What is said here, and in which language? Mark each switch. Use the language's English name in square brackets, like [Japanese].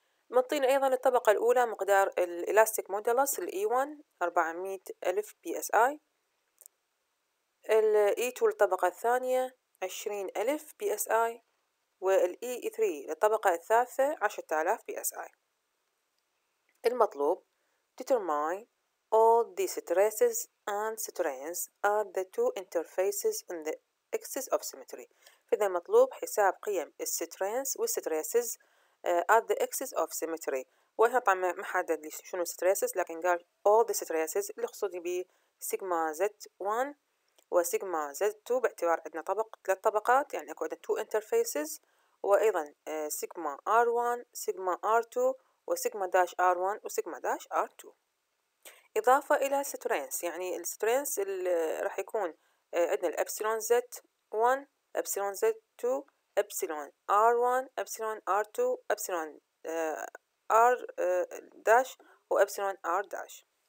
[Arabic] منطين أيضا للطبقة الأولى مقدار الإلاستيك مودلس الـ E1 400,000 PSI. الـ E2 للطبقة الثانية 20,000 PSI. والـ E3 للطبقة الثالثة 10,000 PSI. المطلوب [English] Determine all the stresses and strains at the two interfaces in the axis of symmetry. [Arabic] فإذا مطلوب حساب قيم السترينز والستريسز [English] at the axis of symmetry، [Arabic] وهنا طبعا ما حدد لي شنو stresses، لكن قال [English] all the stresses [Arabic] اللي خصوصي ب sigma z1 و sigma z2 باعتبار عندنا طبق ثلاث طبقات، يعني اكو عندنا [English] two interfaces، [Arabic] وايضا sigma r1 sigma r2 و sigma dash r1 و sigma dash r2 اضافه الى strains. يعني strains اللي راح يكون عندنا epsilon z1 epsilon z2 epsilon r1 epsilon r2 epsilon r dash و epsilon r dash.